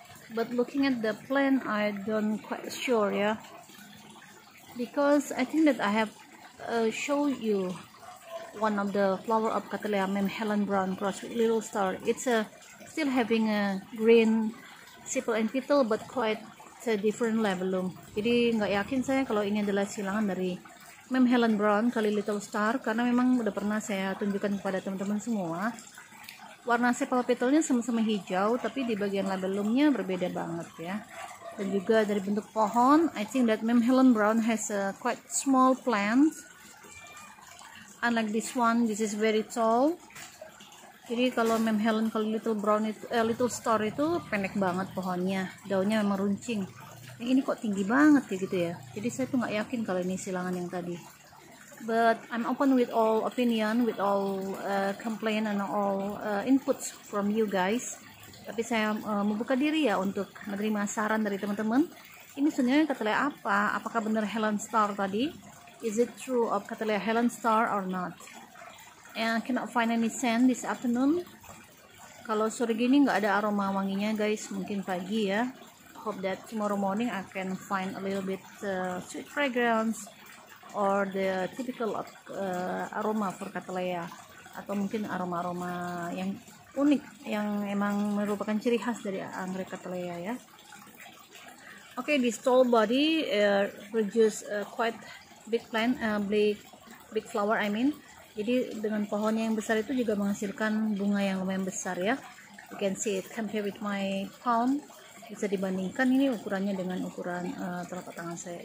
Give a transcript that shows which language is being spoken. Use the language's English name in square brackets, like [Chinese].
[English] But looking at the plant, I don't quite sure, yeah. Because I think that I have show you one of the flower of Cattleya Mem Helen Brown cross with little star. It's still having a green sepal and petal, but quite a different level. [Indonesian] Jadi nggak yakin saya kalau ini adalah silangan dari Mem Helen Brown kali Little Star, karena memang udah pernah saya tunjukkan kepada teman-teman semua. Warna sepal petalnya sama-sama hijau, tapi di bagian labelumnya berbeda banget ya. Dan juga dari bentuk pohon, [English] I think that Mem Helen Brown has a quite small plant. Unlike this one, this is very tall. [Indonesian] Jadi kalau Mem Helen, kalau Little Brown itu, Little Star itu pendek banget pohonnya, daunnya memang runcing. Yang ini kok tinggi banget ya gitu ya. Jadi saya tuh nggak yakin kalau ini silangan yang tadi. [English] But I'm open with all opinion, with all complaint and all inputs from you guys. [Indonesian] Tapi saya membuka diri ya untuk menerima saran dari teman-teman. Ini sebenarnya cattleya apa? Apakah benar Helen Star tadi? [English] Is it true of cattleya Helen Star or not? And I cannot find any scent this afternoon. [Indonesian] Kalau sore gini nggak ada aroma wanginya guys, mungkin pagi ya. [English] Hope that tomorrow morning I can find a little bit sweet fragrance or the typical aroma for cattleya, [Indonesian] atau mungkin aroma-aroma yang unik yang emang merupakan ciri khas dari anggrek cattleya ya. [English] Okay, this tall body produce quite big plant, big flower I mean. [Indonesian] Jadi dengan pohonnya yang besar itu juga menghasilkan bunga yang lumayan besar ya. [English] You can see it compared with my palm. [Indonesian] Bisa dibandingkan ini ukurannya dengan ukuran telapak tangan saya.